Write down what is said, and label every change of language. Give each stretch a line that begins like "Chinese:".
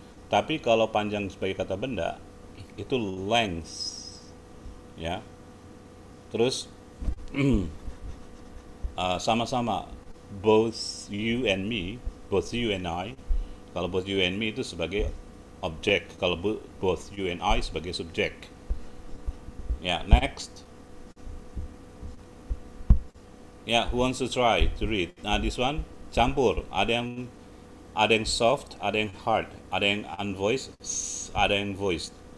Indonesian: Tapi kalau panjang sebagai kata benda, itu length, ya. Terus sama-sama,
English: both you and me, both you and I.
Indonesian: Kalau
English: both you and me
Indonesian: itu sebagai objek, kalau
English: both you and I
Indonesian: sebagai subjek. Ya, next.
English: Ya, yeah, who wants to try to read? Nah, this one campur.
Indonesian: Ada yang soft, ada yang hard, ada yang unvoiced, ada yang voiced.